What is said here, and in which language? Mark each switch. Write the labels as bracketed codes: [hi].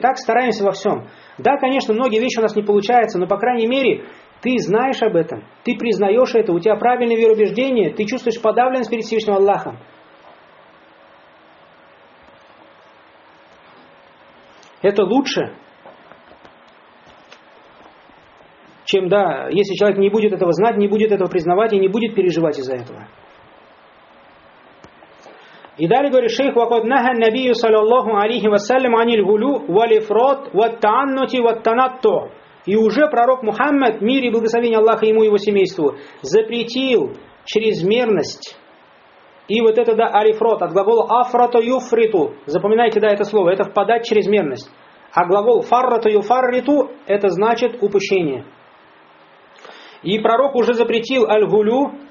[ru] Так стараемся во всем. Да, конечно, многие вещи у нас не получаются, но, по крайней мере, ты знаешь об этом, ты признаешь это, у тебя правильное вероубеждение, ты чувствуешь подавленность перед Всевышним Аллахом. Это лучше, чем, да, если человек не будет этого знать, не будет этого признавать и не будет переживать из-за этого. [ar] И далее говорит шейх: وَقَدْ نَهَى النَّبِيُّ صَلَى اللَّهُ عَلَيْهِ وَسَلَّمُ عَنِ الْغُلُّ وَالْإِفْرَاطِ وَالتَّعَنُّتِ وَالتَّنَطُّعِ. [ru] И уже пророк Мухаммад, мир и благословение Аллаха ему и его семейству, запретил чрезмерность. И вот это, да, алифрот, от глагола афрата юфриту. Запоминайте, да, это слово, это впадать в чрезмерность. А глагол фаррата юфарриту, это значит упущение. И пророк уже запретил аль-гулю,